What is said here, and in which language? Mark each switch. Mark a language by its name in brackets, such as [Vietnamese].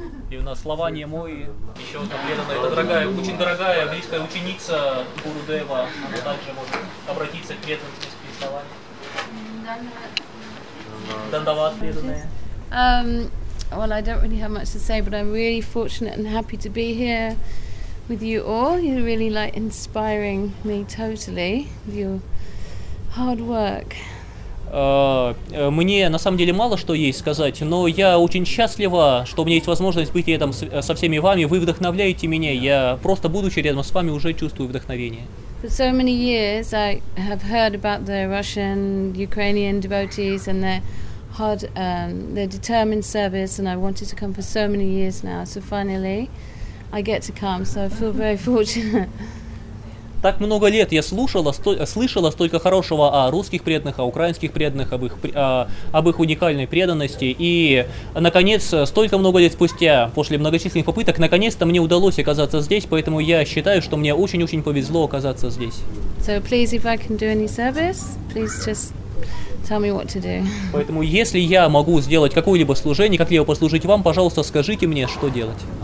[Russian] И у нас Лавания мой, еще одна преданная, это дорогая, очень дорогая, близкая ученица Гурудева. Она также может обратиться к преданным с словами. Дандават преданная. [English] Well, I don't really have much to say, but I'm really fortunate and happy to be here with you all. You're really like inspiring me totally with your hard work. [Russian] Мне на самом деле мало что есть сказать, но я очень счастлива, что у меня есть возможность быть рядом со всеми вами. Вы вдохновляете меня. Я просто, будучи рядом с вами, уже чувствую вдохновение. [English] For so many years I have heard about the Russian Ukrainian devotees and their hard their determined service, and I wanted to come for so many years now. So finally I get to come, so I feel very fortunate. [Russian] Так много лет я слышала столько хорошего о русских преданных, о украинских преданных, об их уникальной преданности. И, наконец, столько много лет спустя, после многочисленных попыток, наконец-то мне удалось оказаться здесь, поэтому я считаю, что мне очень-очень повезло оказаться здесь. [English] So please, if I can do any service, please just tell me what to do. [Russian] Поэтому, если я могу сделать какое-либо служение, как-либо послужить вам, пожалуйста, скажите мне, что делать.